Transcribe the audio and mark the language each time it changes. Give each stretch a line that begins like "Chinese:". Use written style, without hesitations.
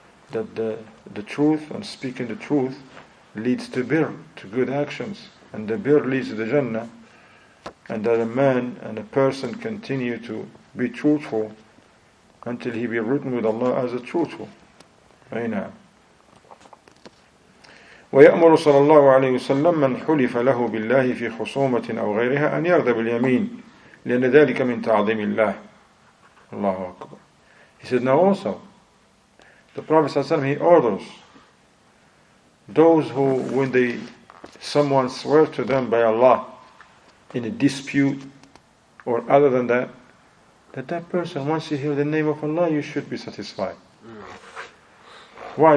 English: That the truth and speaking the truth leads to birr, to good actions, and the birr leads to the jannah, and that a man and a person continue to be truthful until he be written with Allah as a truthful.
Arabic: Ayna. ويأمر صلى الله عليه وسلم من حلف له بالله في خصومة أو غيرها أن يرضى باليمين لأن ذلك من تعظيم الله. الله أكبر.
English: He said, now also, the Prophet ﷺ, he orders those who, when they someone swear to them by Allah in a dispute or other than that, that person, once you hear the name of Allah, you should be satisfied. Why?